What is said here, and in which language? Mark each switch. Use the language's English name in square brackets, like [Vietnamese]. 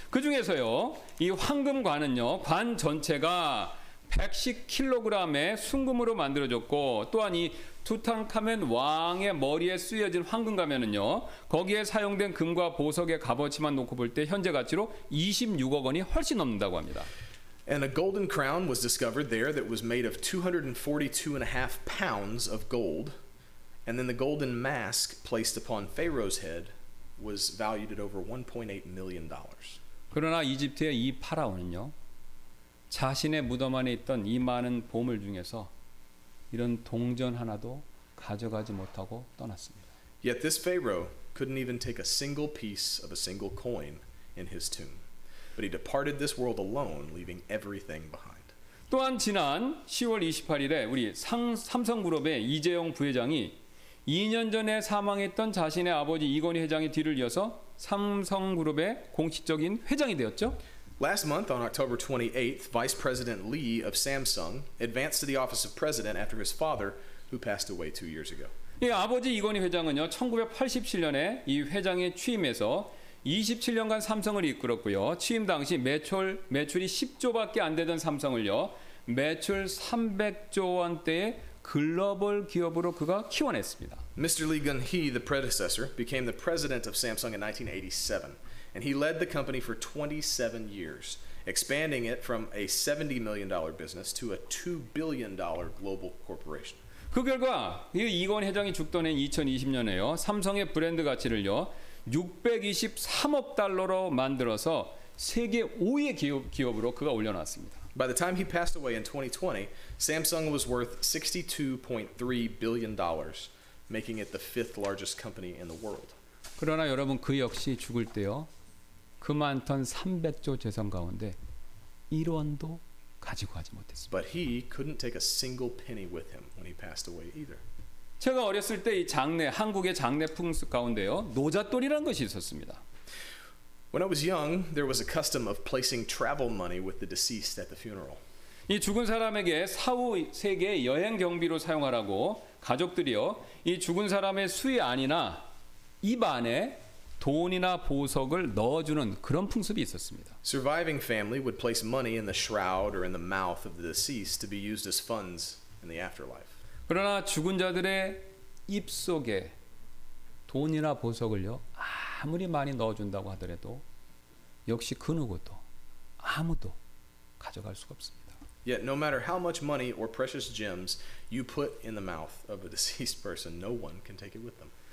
[Korean] 그 중에서요 이 황금관은요 관 전체가 110kg의 순금으로 만들어졌고 또한 이 투탕카멘 왕의 머리에 쓰여진 황금 가면은요 거기에 사용된 금과 보석의 값어치만 놓고 볼 때 현재 가치로 26억 원이 훨씬 넘는다고 합니다. [English] And a golden crown was discovered there that was made of 242.5 pounds of gold, and then the golden mask placed upon Pharaoh's head was valued at over $1.8 million. [Korean] 그러나 이집트의 이 파라오는요 자신의 무덤 안에 있던 이 많은 보물 중에서 이런 동전 하나도 가져가지 못하고 떠났습니다. [English] Yet this Pharaoh couldn't even take a single piece of a single coin in his tomb. But he departed this world alone, leaving everything behind. [Korean] 또한 지난 10월 28일에 우리 삼성그룹의 이재용 부회장이 2년 전에 사망했던 자신의 아버지 이건희 회장의 뒤를 이어서 삼성그룹의 공식적인 회장이 되었죠. [English] Last month, on October 28th, Vice President Lee of Samsung advanced to the office of president after his father, who passed away 2 years ago. [Korean] 예, 아버지 이건희 회장은요, 1987년에 이 회장의 취임에서 27년간 삼성을 이끌었고요. 취임 당시 매출이 10조밖에 안 되던 삼성을요, 매출 300조 원대의 글로벌 기업으로 그가 키워냈습니다. [English] Mr. Lee Gun-hee, the predecessor, became the president of Samsung in 1987. And he led the company for 27 years, expanding it from a $70 million business to a $2 billion global corporation. [Korean] 그 결과 이건 회장이 죽던 해 2020년에요. 삼성의 브랜드 가치를요. 623억 달러로 만들어서 세계 5위의 기업으로 그가 올려놨습니다. [English] By the time he passed away in 2020, Samsung was worth $62.3 billion, making it the fifth largest company in the world. [Korean] 그러나 여러분 그 역시 죽을 때요. 그 많던 300조 재산 가운데 1원도 가지고 가지 못했습니다. [English] But he couldn't take a single penny with him when he passed away either. [Korean] 제가 어렸을 때 이 장례 한국의 장례 풍습 가운데요. 노잣돌이라는 것이 있었습니다. [English] When I was young, there was a custom of placing travel money with the deceased at the funeral. [Korean] 이 죽은 사람에게 사후 세계 여행 경비로 사용하라고 가족들이요. 이 죽은 사람의 수의 안이나 입 안에 돈이나 보석을 넣어주는 그런 풍습이 있었습니다. [English] Surviving family would place money in the shroud or in the mouth of the deceased to be used as funds in the afterlife. [Korean] 그러나 죽은 자들의 입 속에 돈이나 보석을요 아무리 많이 넣어준다고 하더라도 역시 그 누구도 아무도 가져갈 수가 없습니다. [English] Yet no matter how much money or precious gems you put in the mouth of a deceased person, no one can take it with them.